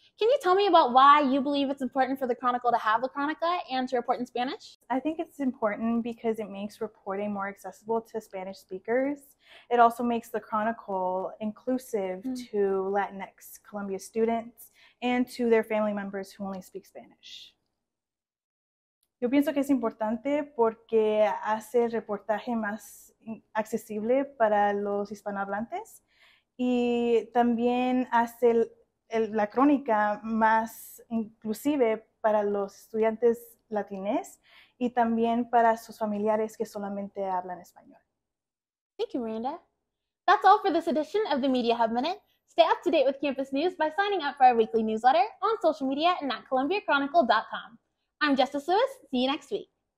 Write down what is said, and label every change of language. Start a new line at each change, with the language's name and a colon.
English: Can you tell me about why you believe it's important for the Chronicle to have La Chronica and to report in Spanish? I think it's important because it makes reporting more accessible to Spanish speakers. It also makes the Chronicle inclusive to Latinx Columbia students and to their family members who only speak Spanish.
Spanish: Yo pienso que es importante porque hace el reportaje más accesible para los hispanohablantes y también hace la crónica más inclusive para los estudiantes latines y también para sus familiares que solamente hablan español.
English: Thank you, Miranda. That's all for this edition of the Media Hub Minute. Stay up to date with campus news by signing up for our weekly newsletter on social media and at columbiachronicle.com. I'm Justice Lewis. See you next week.